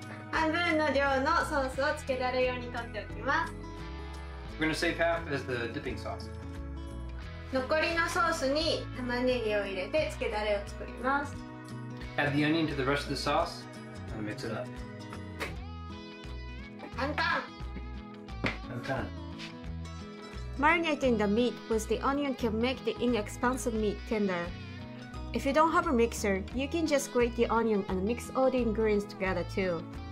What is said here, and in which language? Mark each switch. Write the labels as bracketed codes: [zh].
[ja] 半分の量のソースをつけだれ用にとっておきます。 [en] We're gonna save half as the dipping sauce. [ja] 残りのソースに玉ねぎを入れてつけダレを作ります。 [en] Add the onion to the rest of the sauce and mix it up. [ja] 簡単簡単。 [en] Marinating the meat with the onion can make the inexpensive meat tender. If you don't have a mixer, you can just grate the onion and mix all the ingredients together too.